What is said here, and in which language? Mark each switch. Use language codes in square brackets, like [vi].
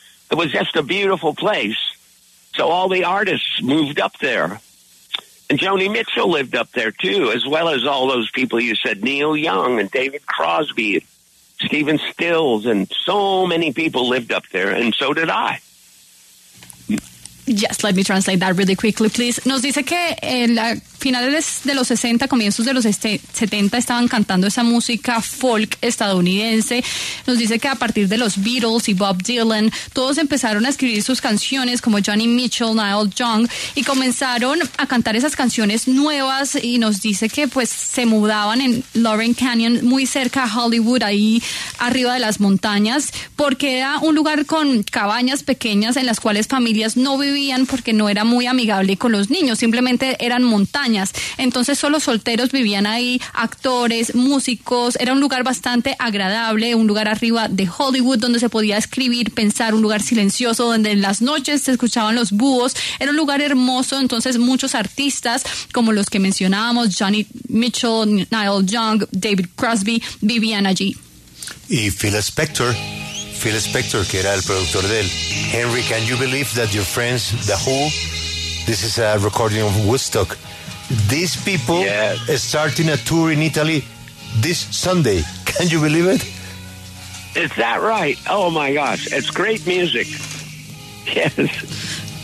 [en] It was just a beautiful place. So all the artists moved up there. And Joni Mitchell lived up there, too, as well as all those people you said, Neil Young and David Crosby, Stephen Stills, and so many people lived up there, and so did I. Yes, let me translate that really quickly, please. [es] Nos dice que en la finales de los 60, comienzos de los 70, estaban cantando esa música folk estadounidense. Nos dice que a partir de los Beatles y Bob Dylan, todos empezaron a escribir sus canciones como Joni Mitchell, Neil Young, y comenzaron a cantar esas canciones nuevas. Y nos dice que pues se mudaban en Laurel Canyon, muy cerca a Hollywood, ahí arriba de las montañas, porque era un lugar con cabañas pequeñas en las cuales familias no vivían porque no era muy amigable con los niños, simplemente eran montañas. Entonces solo solteros vivían ahí, actores, músicos, era un lugar bastante agradable, un lugar arriba de Hollywood donde se podía escribir, pensar, un lugar silencioso donde en las noches se escuchaban los búhos, era un lugar hermoso. Entonces muchos artistas como los que mencionábamos, Joni Mitchell, Neil Young, David Crosby, vivían allí. Y Phil Spector, que era el productor de él. [en] Henry, can you believe that your friends, The Who, this is a recording of Woodstock, these people yes. are starting a tour in Italy this Sunday. Can you believe it? Is that right? Oh, my gosh. It's great music. Yes.